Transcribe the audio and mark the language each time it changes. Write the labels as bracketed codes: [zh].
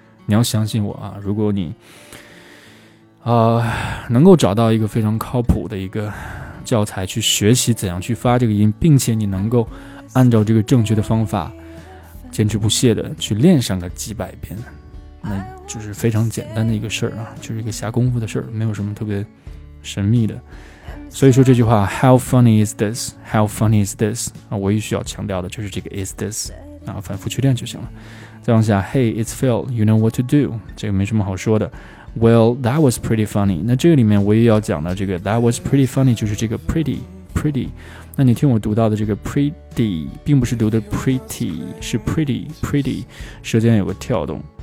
[zh] 你要相信我啊，如果你能够找到一个非常靠谱的一个教材去学习怎样去发这个音，并且你能够按照这个正确的方法坚持不懈的去练上个几百遍，那就是非常简单的一个事儿啊，就是一个下功夫的事儿，没有什么特别神秘的。所以说这句话 [en] How funny is this? How funny is this? [zh] 啊，唯一需要强调的就是这个 [en] is this [zh] 啊，反复去练就行了。再往下 [en] Hey, it's Phil, you know what to do? [zh] 这个没什么好说的。 [en] Well, that was pretty funny. [zh] 那这个里面唯一要讲的这个 [en] That was pretty funny [zh] 就是这个 pretty 那你听我读到的这个 pretty 并不是读的 pretty 是 pretty 舌尖有个跳动。